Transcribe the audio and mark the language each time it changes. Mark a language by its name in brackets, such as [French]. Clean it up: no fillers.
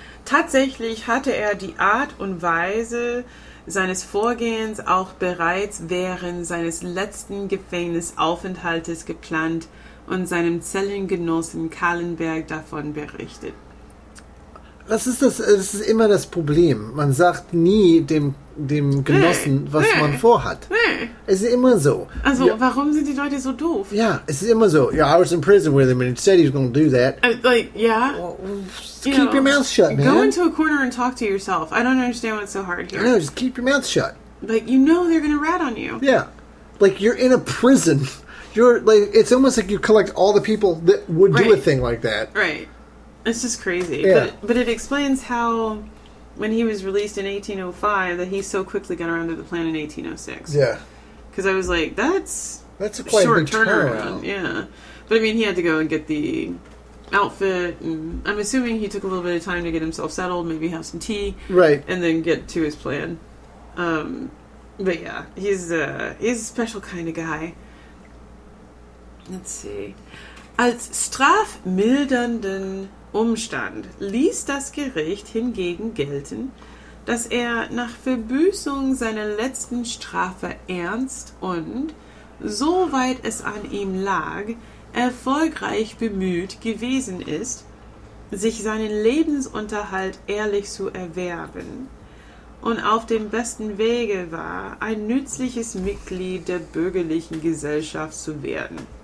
[German] Tatsächlich hatte er die Art und Weise seines Vorgehens auch bereits während seines letzten Gefängnisaufenthaltes geplant und seinem Zellengenossen Kahlenberg davon berichtet. Was ist das? Das ist immer das Problem. Man sagt nie dem Genossen, was man vorhat. Nee. Es ist immer so. Also, ja. Warum sind die Leute so doof? Ja, es ist immer so. [English] Yeah, I was in prison with him and he said he was going to do that. Well, just keep your mouth shut, man. Go into a corner and talk to yourself. I don't understand what's so hard here. No, just keep your mouth shut. Like, you know they're going to rat on you. Yeah. Like, you're in a prison. You're like, it's almost like you collect all the people that would do a thing like that. Right. It's just crazy. Yeah. But it explains how, when he was released in 1805, that he so quickly got around to the plan in 1806. Yeah. Because I was like, that's a quite short big turnaround. Yeah. But I mean, he had to go and get the outfit, and I'm assuming he took a little bit of time to get himself settled, maybe have some tea. Right. And then get to his plan. But yeah, he's a special kind of guy. Let's see. [German] Als strafmildernden Umstand ließ das Gericht hingegen gelten, dass er nach Verbüßung seiner letzten Strafe ernst und, soweit es an ihm lag, erfolgreich bemüht gewesen ist, sich seinen Lebensunterhalt ehrlich zu erwerben und auf dem besten Wege war, ein nützliches Mitglied der bürgerlichen Gesellschaft zu werden.